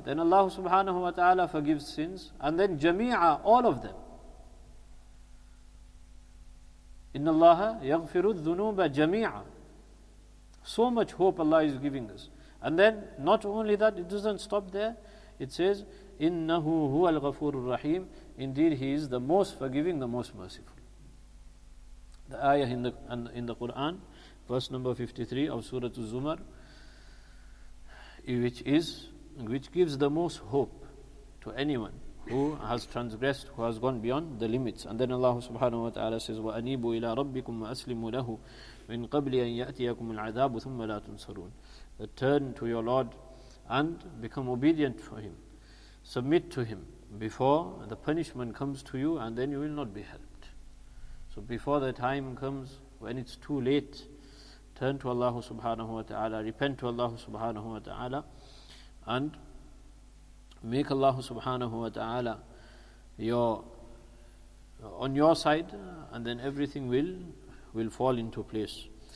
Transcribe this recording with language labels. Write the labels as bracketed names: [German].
[English] Then Allah subhanahu wa ta'ala forgives sins. And then jami'a, all of them. [Arabic] إِنَّ اللَّهَ يَغْفِرُ الذُّنُوبَ جَمِيعًا. [English] So much hope Allah is giving us. And then, not only that, it doesn't stop there. It says, [Arabic] إِنَّهُ هُوَ الْغَفُورُ الرَّحِيمُ. [English] Indeed, He is the most forgiving, the most merciful. The ayah in the Quran, verse number 53 of Surah Az-Zumar, which gives the most hope to anyone who has transgressed, who has gone beyond the limits. And then Allah subhanahu wa ta'ala says, [Arabic] وَأَنِيبُوا إِلَىٰ رَبِّكُمْ وَأَسْلِمُوا لَهُ مِنْ قَبْلِ أَنْ يَأْتِيَكُمُ الْعَذَابُ ثُمَّ لَا تُنْصَرُونَ. [English] Turn to your Lord and become obedient for Him. Submit to Him before the punishment comes to you, and then you will not be helped. So before the time comes when it's too late, turn to Allah subhanahu wa ta'ala, repent to Allah subhanahu wa ta'ala, and make Allah subhanahu wa ta'ala on your side, and then everything will fall into place.